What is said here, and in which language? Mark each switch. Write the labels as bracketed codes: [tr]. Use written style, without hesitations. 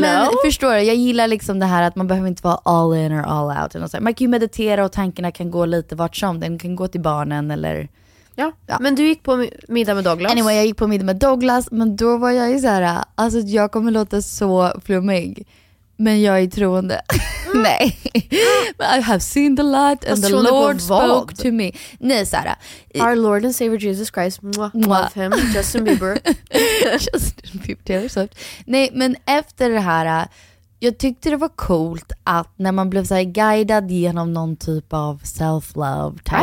[sv] Men förstår du, jag gillar liksom det här att man behöver inte vara [en] all in or all out. [sv] Man kan ju meditera och tankarna kan gå lite vart som, den kan gå till barnen eller... Ja. Ja, men du gick på middag med Douglas. Anyway, jag gick på middag med Douglas, men då var jag ju så här, alltså jag kommer låta så flummig, men jag är troende. Nej. [en] But I have seen the light and the Lord spoke to me. [sv] Nej, Sara. [en] Our Lord and Savior Jesus Christ. Mwah. Love him. Justin Bieber. Justin Bieber, Taylor Swift. [sv] Nej, men efter det här, jag tyckte det var coolt att när man blev så här guidad genom någon typ av self-love type